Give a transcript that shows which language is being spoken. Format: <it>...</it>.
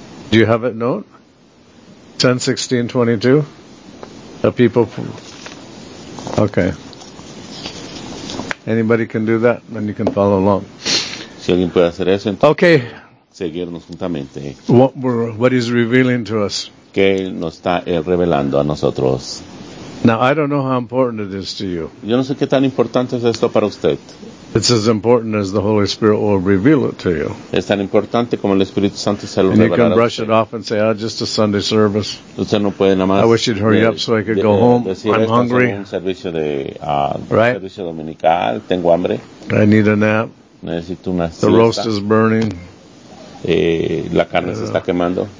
<en>Do you have it note? 10:16:22. The people. Okay. Anybody can do that, and you can follow along.</en> <es>Si alguien puede hacer eso, entonces.</es> <en>Okay.</en> <es>Seguirnos juntamente.</es> <en>What is revealing to us?</en> <es>Que nos está revelando a nosotros.</es> <en>Now, I don't know how important it is to you.</en> <es>Yo no sé qué tan importante es esto para usted.</es> <en>It's as important as the Holy Spirit will reveal it to you.</en> <es>Es tan importante como el Espíritu Santo se lo revelará.</es> <en>And you can brush it off and say, "Ah, oh, just a Sunday service."</en> <es>Usted no puede nada más.</es> <en>I wish you'd hurry up so I could go home. I'm hungry.</en> <es>Un servicio de right? Servicio dominical. Tengo hambre.</es> <en>I need a nap.</en> <es>Necesito una siesta. The roast is burning. La carne se está quemando.</es>